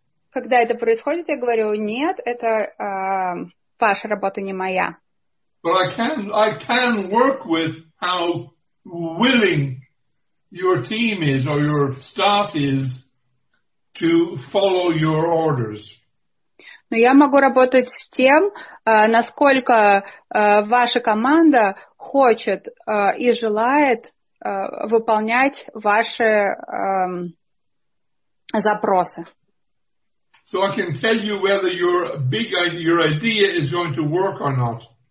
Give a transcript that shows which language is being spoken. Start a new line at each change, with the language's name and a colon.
Russian: Когда это происходит, я говорю, нет, это ваша работа, не моя.
English: But I can work with how willing your team is or your staff is to follow your orders.
Russian: Но я могу работать с тем, насколько ваша команда хочет и желает выполнять ваши запросы.
English: So I can tell you whether your big your idea is going to work or not.